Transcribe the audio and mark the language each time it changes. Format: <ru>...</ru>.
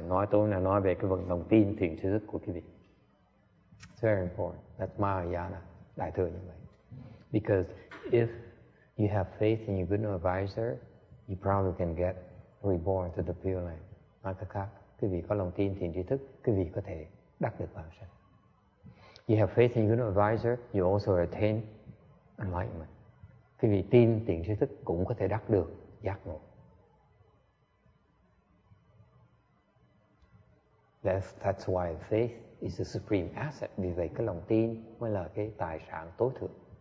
<vi>Nói tôi là nói về cái vận lòng tin thiền tri thức của quý vị.</vi> <en>It's very important. That's Mahayana,</en> <vi>đại thừa như vậy.</vi> <en>Because if you have faith in your good knowing advisor, you probably can get reborn to the pure land.</en> <vi>Nói cách khác, quý vị có lòng tin thiền tri thức, quý vị có thể đắc được vào sanh.</vi> <en>You have faith in your advisor, you also attain enlightenment.</en> <vi>Quý vị tin tiền tri thức cũng có thể đắc được giác ngộ.</vi> <en>That's why faith is the supreme asset.</en> <vi>Vì vậy cái lòng tin mới là cái tài sản tối thượng.</vi>